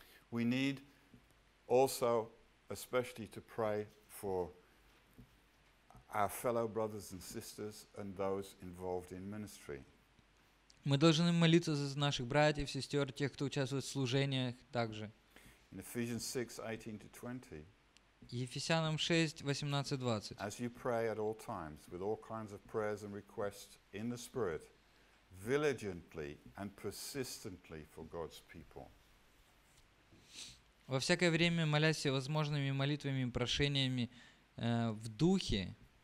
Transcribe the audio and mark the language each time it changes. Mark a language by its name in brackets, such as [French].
[English] We need also especially to pray for our fellow brothers and sisters and those involved in ministry. [Russian] Мы должны молиться за наших братьев, сестер, тех, кто участвует в служениях также. [English] In Ephesians 6:18-20. [Russian] Ефесянам 6:18-20. [English] As you pray at all times with all kinds of prayers and requests in the Spirit, diligently and persistently for God's people. [Russian] Во всякое время молясь всевозможными молитвами и прошениями в духе.